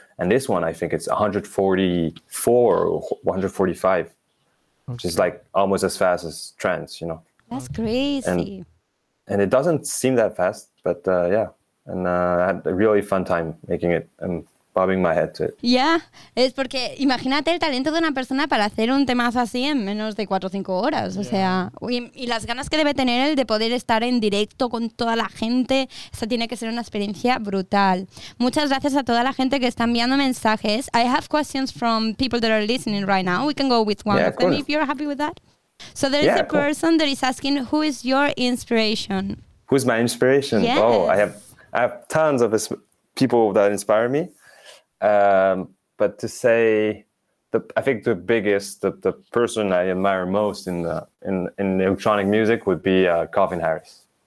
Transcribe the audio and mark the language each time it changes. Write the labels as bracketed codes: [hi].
[en] And this one, I think it's 144 or 145, which is like almost as fast as trance, you know. That's crazy. And it doesn't seem that fast, but I had a really fun time making it and bobbing my head to it. [es] Yeah, es porque imagínate el talento de una persona para hacer un temazo así en menos de 4 o 5 horas. Yeah. O sea, y las ganas que debe tener él de poder estar en directo con toda la gente. Esa tiene que ser una experiencia brutal. Muchas gracias a toda la gente que está enviando mensajes. [en] I have questions from people that are listening right now. We can go with one of them if you're happy with that. So there is a person that is asking, who is your inspiration? Who's my inspiration? Yes. Oh, I have tons of people that inspire me. But to say, I think the biggest, the person I admire most in electronic music would be Calvin Harris.